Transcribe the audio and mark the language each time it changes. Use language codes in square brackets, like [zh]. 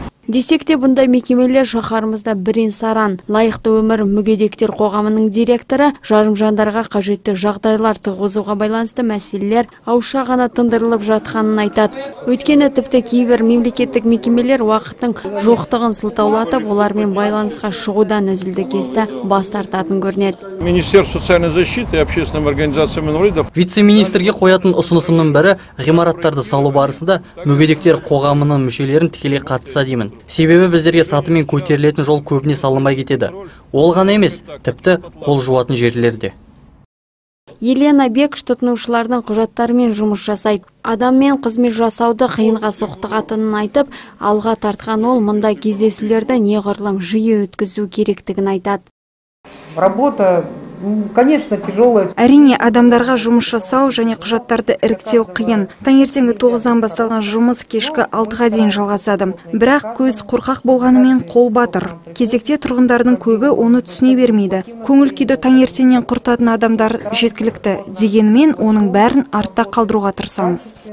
[kk] Десек те бұндай мекемелер шаһарымызда бірін саран. Лайықты өмір мүгедектер қоғамының директоры жарым жандарға қажетті жағдайлар тұрғызуға байланысты мәселелер ауша ғана тындырылып жатқанын айтады. Өйткені тіпті кейбір мемлекеттік мекемелер уақыттың жоқтығын сылтаулатып олармен байланысқа шығудан үзілді кесті бас тартатын көрінеді. [ru] Министерство социальной защиты и общественным организациям инвалидов. [kk] Вице-министрге қоятын ұсынысының бірі ғимараттарды салу барысында мүгедектер қоғамының мүшелерін тікелей қатыса деймін. Себебі біздерге сатымен көтерілетін жол көбіне салынбай кетеді. Ол ғана емес, тіпті қол жуатын жерлерде. Елена Бек тұтынушылардың құжаттарымен жұмыс жасайды. Адаммен қызмет жасауды қиынға соқтығатынын айтып, алға тартқан ол мұндай кездесулерді неғұрлым жиі өткізу керектігін айтады. [ru] Работа, конечно, тяжелая. [kk] Әрине, адамдарға жұмыс жасау және құжаттарды іріктеу қиын. Таңертеңгі 9-дан басталған жұмыс кешкі 6-ға дейін жалғасады. Бірақ көз қорқақ болғанымен қол батыр. Кезекте тұрғындардың көбі оны түсіне бермейді. Көңіл күйді таңертеңнен құртатын адамдар жеткілікті. Дегенмен оның бәрін артта қалдыруға тырысамыз.